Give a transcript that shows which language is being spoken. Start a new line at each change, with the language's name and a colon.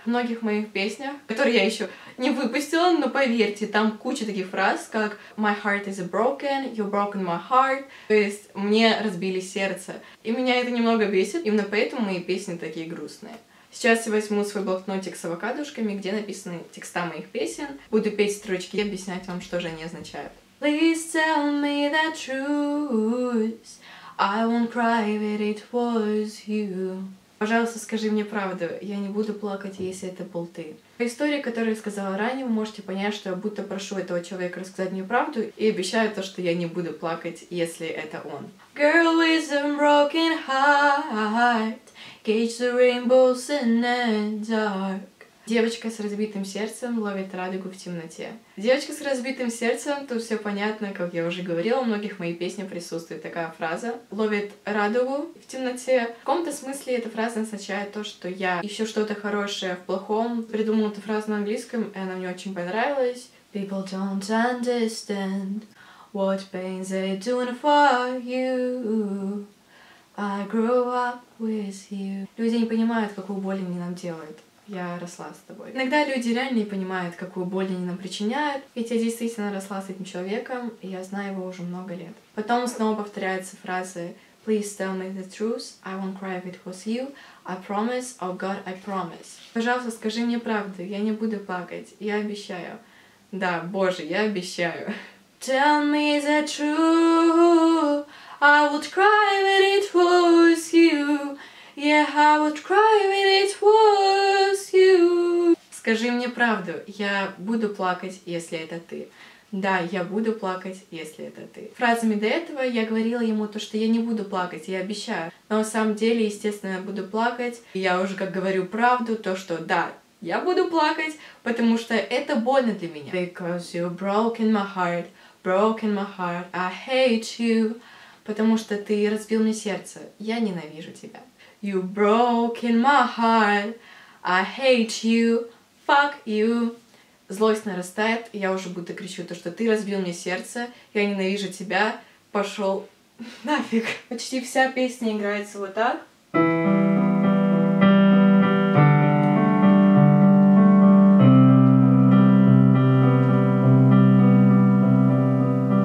Russian: В многих моих песнях, которые я еще не выпустила, но поверьте, там куча таких фраз, как
English: «My heart is broken», «You've broken my heart»,
Russian: то есть «Мне разбили сердце». И меня это немного бесит, именно поэтому мои песни такие грустные. Сейчас я возьму свой блокнотик с авокадушками, где написаны текста моих песен. Буду петь строчки и объяснять вам, что же они означают.
English: Please tell me the truth. I won't cry if it was you.
Russian: Пожалуйста, скажи мне правду, я не буду плакать, если это был ты. По истории, которую я сказала ранее, вы можете понять, что я будто прошу этого человека рассказать мне правду и обещаю то, что я не буду плакать, если это он.
English: Girl with a broken heart, catch the rainbows in the dark.
Russian: Девочка с разбитым сердцем ловит радугу в темноте. Девочка с разбитым сердцем, тут все понятно, как я уже говорила, у многих в моих песнях присутствует такая фраза. Ловит радугу в темноте. В каком-то смысле эта фраза означает то, что я ищу что-то хорошее в плохом. Придумала эту фразу на английском, и она мне очень понравилась.
English: People don't understand what pains they doing for you. I grew up with you.
Russian: Люди не понимают, какую боль они нам делают. Я росла с тобой. Иногда люди реально не понимают, какую боль они нам причиняют. Ведь я действительно росла с этим человеком, и я знаю его уже много лет. Потом снова повторяются фразы
English: «Please tell me the truth, I won't cry if it was you, I promise,
Russian: oh God, I promise». Пожалуйста, скажи мне правду, я не буду плакать, я обещаю. Да, боже, я обещаю.
English: Tell me the truth, I would cry if it was you. Yeah, I would cry if it was you.
Russian: Скажи мне правду, я буду плакать, если это ты. Да, я буду плакать, если это ты. Фразами до этого я говорила ему то, что я не буду плакать, я обещаю. Но на самом деле, естественно, я буду плакать. И я уже как говорю правду, то что да, я буду плакать, потому что это больно для меня.
English: Because you broken my heart, I hate you.
Russian: Потому что ты разбил мне сердце, я ненавижу тебя.
English: You broken my heart, I hate you, fuck you.
Russian: Злость нарастает, я уже будто кричу то, что ты разбил мне сердце, я ненавижу тебя, пошел нафиг. Почти вся песня играется вот так.